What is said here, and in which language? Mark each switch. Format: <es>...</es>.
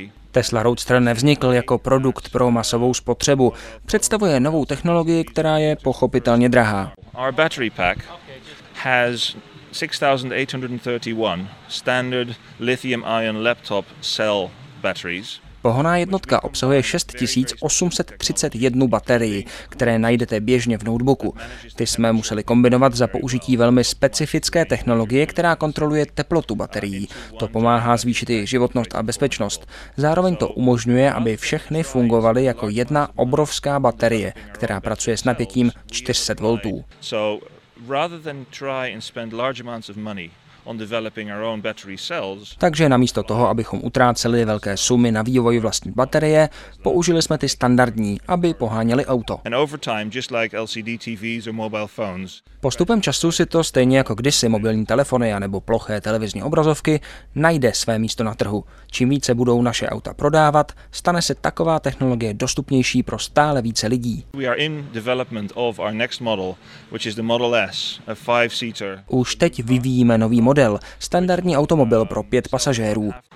<cs>Tesla Roadster nevznikl jako produkt pro masovou spotřebu. Představuje novou technologii, která je pochopitelně drahá.</cs> <en>Our battery pack has 6831 standard lithium-ion laptop cell batteries.</en> <cs>Pohonná jednotka obsahuje 6831 baterii, které najdete běžně v notebooku. Ty jsme museli kombinovat za použití velmi specifické technologie, která kontroluje teplotu baterií. To pomáhá zvýšit jejich životnost a bezpečnost. Zároveň to umožňuje, aby všechny fungovaly jako jedna obrovská baterie, která pracuje s napětím 400 voltů.</cs> <en>So rather than try and spend large amounts of money on developing our own battery cells.</en> <cs>Takže namísto toho, abychom utráceli velké sumy na vývoj vlastní baterie, použili jsme ty standardní, aby poháněli auto.</cs> <en>And over time, just like LCD TVs or mobile phones.</en> <cs>Postupem času si to, stejně jako kdysi mobilní telefony anebo ploché televizní obrazovky, najde své místo na trhu. Čím více budou naše auta prodávat, stane se taková technologie dostupnější pro stále více lidí.</cs> <en>We are in development of our next model, which is the Model S, a five-seater.</en> <cs>Už teď vyvíjíme nový model, standardní automobil pro 5 pasažérů.</cs>